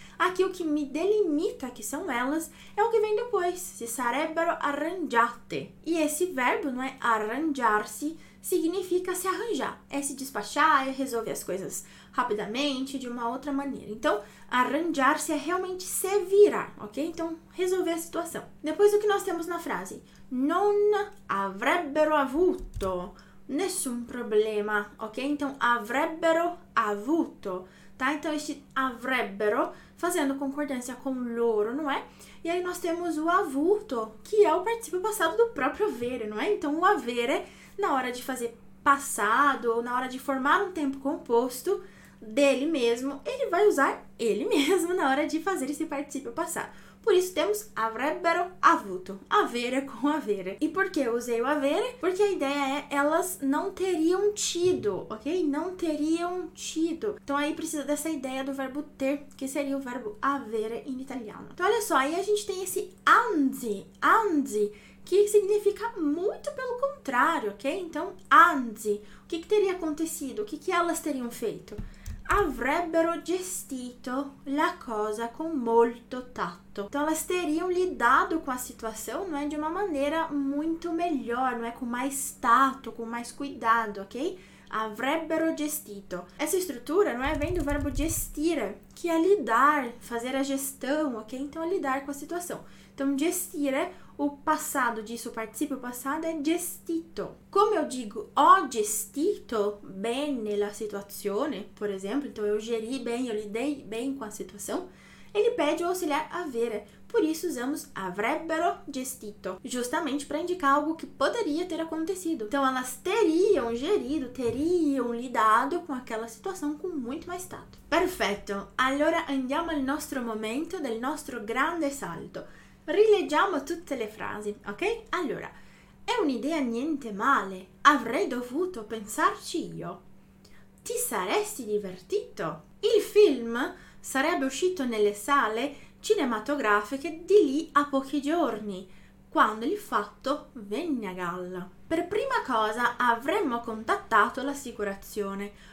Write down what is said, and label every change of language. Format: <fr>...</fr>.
<pt>Aqui o que me delimita que são elas é o que vem depois,</pt> <it>se sarebbero arrangiate.</it> <pt>E esse verbo, não é? Arrangiarsi significa se arranjar, é se despachar, é resolver as coisas rapidamente, de uma outra maneira. Então, arranjar-se é realmente se virar, ok? Então, resolver a situação. Depois, o que nós temos na frase?</pt> <it>Non avrebbero avuto nessun problema, ok?</it> <pt>Então,</pt> <it>avrebbero avuto,</it> <pt>tá? Então, este avrebbero fazendo concordância com loro, não é? E aí, nós temos o avuto, que é o particípio passado do próprio avere, não é? Então, o avere, na hora de fazer passado, ou na hora de formar um tempo composto, dele mesmo, ele vai usar ele mesmo na hora de fazer esse particípio passar. Por isso temos</pt> <it>avrebbero avuto,</it> <pt>avere com avere. E por que eu usei o avere? Porque a ideia é elas não teriam tido, ok? Não teriam tido. Então aí precisa dessa ideia do verbo ter, que seria o verbo avere em italiano. Então olha só, aí a gente tem esse anzi, anzi, que significa muito pelo contrário, ok? Então anzi, o que que teria acontecido? O que que elas teriam feito?</pt> <it>Avrebbero gestito la cosa con molto tatto.</it> <pt>Então, elas teriam lidado com a situação, não é, de uma maneira muito melhor, não é, com mais tato, com mais cuidado, ok?</pt> <it>Avrebbero gestito.</it> <pt>Essa estrutura, não é, vem do verbo gestire, que é lidar, fazer a gestão, ok? Então, é lidar com a situação. Então, gestire, o passado disso, o particípio passado é gestito. Como eu digo,</pt> <it>ho gestito bene la situazione,</it> <pt>por exemplo, então eu geri bem, eu lidei bem com a situação, ele pede o auxiliar avere. Por isso usamos</pt> <it>avrebbero gestito,</it> <pt>justamente para indicar algo que poderia ter acontecido. Então elas teriam gerido, teriam lidado com aquela situação com muito mais tato. Perfeito!</pt> <it>Allora andiamo al nostro momento del nostro grande salto. Rileggiamo tutte le frasi, ok? Allora, è un'idea niente male. Avrei dovuto pensarci io. Ti saresti divertito? Il film sarebbe uscito nelle sale cinematografiche di lì a pochi giorni, quando il fatto venne a galla. Per prima cosa avremmo contattato l'assicurazione,</it>